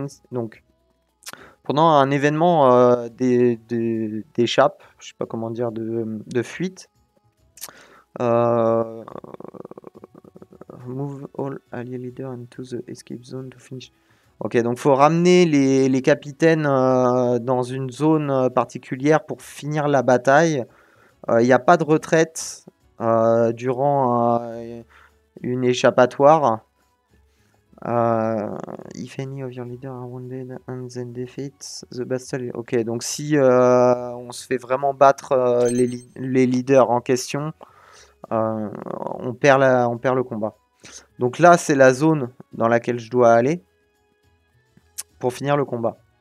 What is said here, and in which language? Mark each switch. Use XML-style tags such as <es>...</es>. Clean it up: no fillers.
<fr>Donc, pendant un événement d'échappe, je sais pas comment dire, de fuite.</fr> <en>Move all allied leader into the escape zone to finish.</en> <fr>Ok, donc faut ramener les capitaines dans une zone particulière pour finir la bataille. Il n'y a pas de retraite durant une échappatoire.</fr> <en>If any of your leaders are wounded and then defeat the battle.</en> <fr>Ok, donc si on se fait vraiment battre les leaders en question, on perd le combat. Donc là, c'est la zone dans laquelle je dois aller pour finir le combat.</fr>